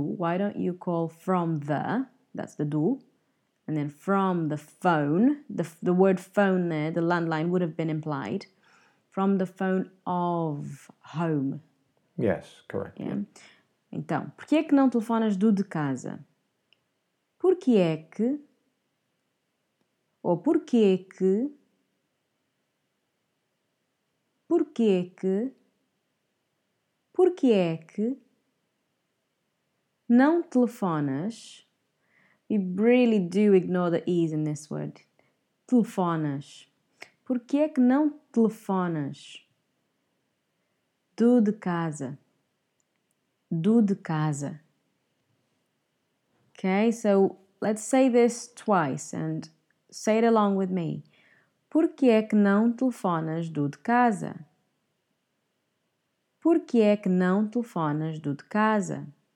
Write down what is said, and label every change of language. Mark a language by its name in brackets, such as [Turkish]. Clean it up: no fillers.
[English] Why don't you call from the, that's the do, and then from the phone, the word phone there, the landline would have been implied, from the phone of home. Yes, correct. Yeah. [Portuguese] Então, por que é que não telefonas do de casa? Por que é que, ou por que é que, Por que é que não telefonas? [English] We really do ignore the E's in this word. [Portuguese] Telefonas. Por que é que não telefonas? Do de casa. Do de casa. [English] Okay, so let's say this twice and say it along with me. [Portuguese] Por que é que não telefonas do de casa? Por que é que não telefonas do de casa?